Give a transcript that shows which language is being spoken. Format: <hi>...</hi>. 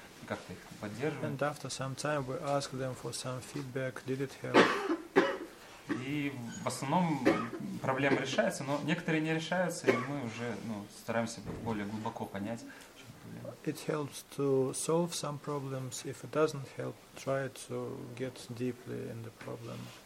<ru>Как-то их поддерживаем.</ru> <en>And after some time we ask them for some feedback. Did it help?</en> <ru>И в основном проблема решается, но некоторые не решаются, и мы уже, ну, стараемся более глубоко понять, в чем проблема.</ru> <en>It helps to solve some problems. If it doesn't help, try to get deeply in the problem.</en>